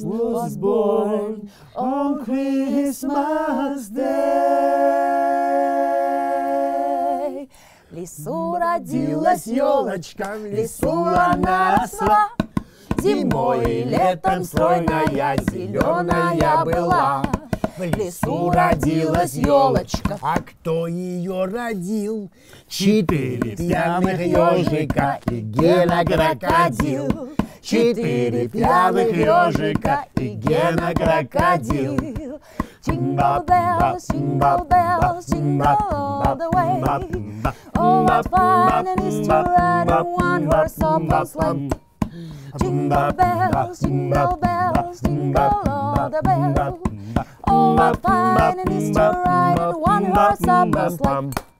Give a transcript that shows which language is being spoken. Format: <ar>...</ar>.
<en>was born on Christmas Day.</en> <ru>В лесу родилась елочка, в лесу она росла. Зимой и летом стройная, зеленая была. В лесу родилась елочка, а кто ее родил? Четыре пьяных ежика и Гена-крокодил. Четыре пьяных ёжика и Гена-крокодил.</ru> <en>Jingle-bells, jingle-bells, jingle-all-the-way. Oh, what fun it is to ride in one-horse open sleigh. Jingle-bells, jingle-bells, jingle-all-the-bell. Oh, what fun it is to ride in one-horse open sleigh.</en>